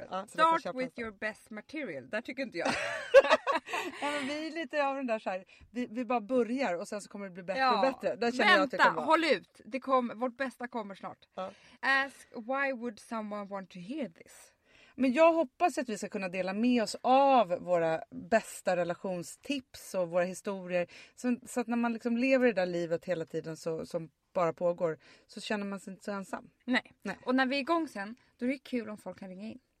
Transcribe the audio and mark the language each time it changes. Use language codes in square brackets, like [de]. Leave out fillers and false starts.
[en] Start with your best material. [sv] Där tycker inte jag. Ja, men vi är lite av den där så här. Vi bara börjar och sen så kommer det bli bättre och bättre. Där känner jag att det kommer. Håll ut. Vårt bästa kommer snart. Ja. [en] Ask why would someone want to hear this? [sv] Men jag hoppas att vi ska kunna dela med oss av våra bästa relationstips och våra historier. Så att när man liksom lever i det där livet hela tiden som bara pågår så känner man sig inte så ensam. Nej. Och när vi är igång sen, då är det kul om folk kan ringa in.